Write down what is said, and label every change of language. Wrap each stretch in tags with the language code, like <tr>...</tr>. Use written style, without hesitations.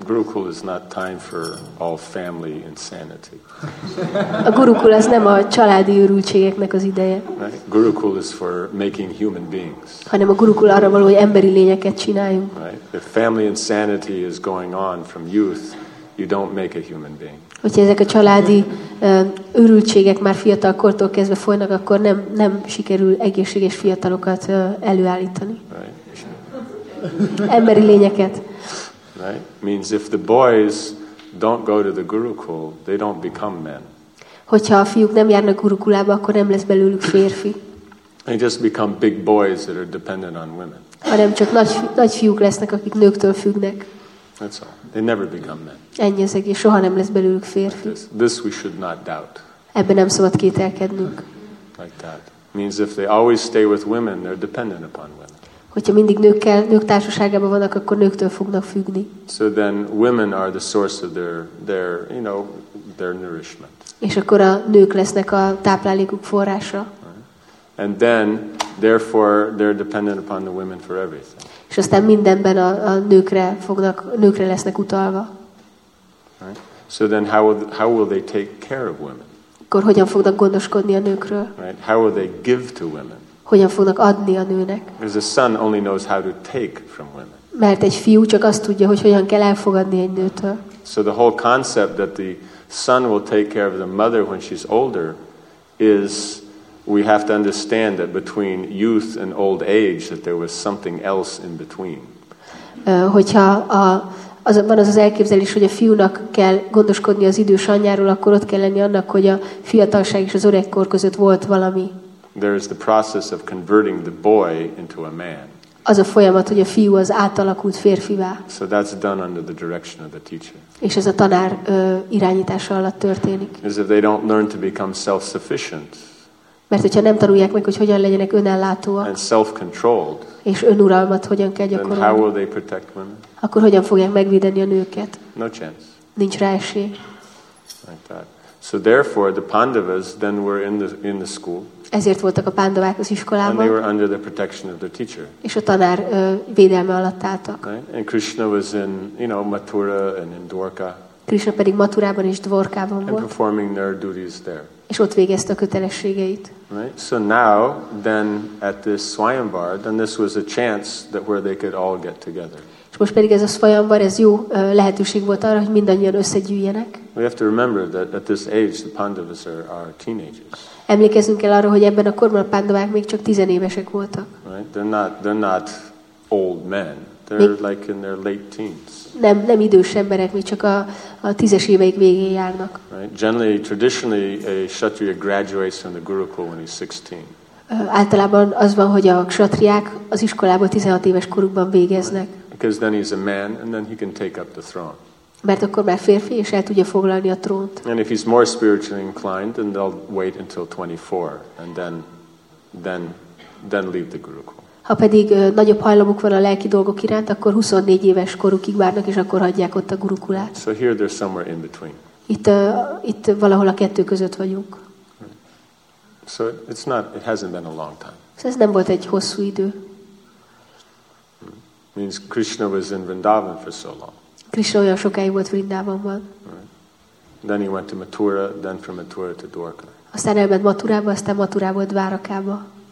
<en>Gurukul is not time for all family insanity.</en> <hu>A gurukul az nem a családi őrültségeknek az ideje.</hu> <en>Right? Gurukul is for making human beings.</en> <hu>Hanem a gurukul arra való, hogy emberi lényeket csináljunk.</hu> <en>Right? If family insanity is going on from youth, you don't make a human being.</en> <hu>Hogyha ezek a családi őrültségek már fiatal kortól kezdve folynak, akkor nem sikerül egészséges fiatalokat előállítani.</hu> <en>Right?</en> <hu>Emberi lényeket.</hu> <en>Right? Means if the boys don't go to the gurukul, they don't become men.</en> <hu>Hogyha a fiúk nem járnak gurukulába, akkor nem lesz belőlük férfi.</hu> <en>They just become big boys that are dependent on women.</en> <hu>Hanem csak nagy fiúk lesznek, akik nőktől függnek.</hu> <en>That's all. They never become men.</en> <hu>Ennyi az egész, soha nem lesz belőlük férfi.</hu> <en>Like this we should not doubt.</en> <hu>Ebben nem szabad kételkednünk.</hu> <en>Like that. Means if they always stay with women, they're dependent upon women.</en> <hu>Hogyha mindig nőkkel, nők társaságában vannak, akkor nőktől fognak függni.</hu> <en>So then women are the source of their you know, their nourishment.</en> <hu>És akkor a nők lesznek a táplálékuk forrása.</hu> <en>And then therefore they're dependent upon the women for everything.</en> <hu>És aztán mindenben a nőkre fognak, nőkre lesznek utalva.</hu> <en>Right? So then how will they take care of women?</en> <hu>Akkor hogyan fognak gondoskodni a nőkről?</hu> <en>Right? How will they give to women?</en> <hu>Hogyan fognak adni a nőnek?</hu> <en>Because a son only knows how to take from women.</en> <hu>Mert egy fiú csak azt tudja, hogy hogyan kell elfogadni egy nőtől.</hu> <en>So the whole concept that the son will take care of the mother when she's older is we have to understand that between youth and old age that there was something else in between.</en> <hu>Hogyha van az az elképzelés, hogy a fiúnak kell gondoskodni az idős anyjáról, akkor ott kell lenni annak, hogy a fiatalság és az öregkor között volt valami.</hu> <en>There is the process of converting the boy into a man.</en> <hu>Az a folyamat, hogy a fiú az átalakult férfivá.</hu> <en>So that's done under the direction of the teacher.</en> <hu>És ez a tanár irányítása alatt történik.</hu> <en>As if they don't learn to become self-sufficient.</en> <hu>Mert hogyha nem tanulják meg, hogy hogyan legyenek önellátóak.</hu> <en>And self-controlled.</en> <hu>És önuralmat hogyan kell gyakorolni.</hu> <en>How will they protect women?</en> <hu>Akkor hogyan fogják megvédeni a nőket?</hu> <en>No chance.</en> <hu>Nincs rá esély.</hu> <en>Like that. So therefore the Pandavas then were in the school.</en> <hu>Ezért voltak a Pándavák az iskolában.</hu> <en>And they were under the protection of their teacher.</en> <hu>És a tanár védelme alatt álltak.</hu> <en>Right? And Krishna was in, you know, Mathura and in Dvarka.</en> <hu>Krishna pedig Mathurában és Dvarkában volt.</hu> <en>And performing their duties there.</en> <hu>És ott végezte a kötelességeit.</hu> <en>Right? So now then at this Svayamvar, then this was a chance that where they could all get together.</en> <hu>És most pedig ez a Svayamvar, ez jó lehetőség volt arra, hogy mindannyian összegyűjjenek.</hu> <en>We have to remember that at this age the Pandavas are teenagers.</en> <hu>Emlékezzünk el arra, hogy ebben a korban a Pandavák még csak tizenévesek voltak.</hu> <en>Right? They're not old men. They're like in their late teens.</en> <hu>Nem idős emberek, még csak a tízes éveik végén járnak.</hu> <en>Right? Generally, traditionally, a kshatriya graduates from the gurukul when he's 16.</en> <hu>Általában az van, hogy a kshatriák az iskolából 16 éves korukban végeznek.</hu> <en>Right? Because then he's a man, and then he can take up the throne.</en> <hu>Mert akkor már férfi, és el tudja foglalni a trónt.</hu> <en>And if he's more spiritually inclined, then they'll wait until 24, and then leave the gurukul.</en> <hu>Ha pedig nagyobb hajlamuk van a lelki dolgok iránt, akkor 24 éves korukig várnak, és akkor hagyják ott a gurukulát.</hu> <en>So here they're somewhere in between.</en> <hu>Itt valahol a kettő között vagyunk.</hu> <en>So it hasn't been a long time.</en> <hu>Ez nem volt egy hosszú idő.</hu> <en>Means Krishna was in Vrindavan for so long.</en> <hu>Krishna olyan sokáig volt Vrindavanban.</hu> <en>Then he went to Mathura, then from Mathura to Dvarka.</en> <hu>Aztán elment Mathurába, aztán Mathurából Dvarakába.</hu>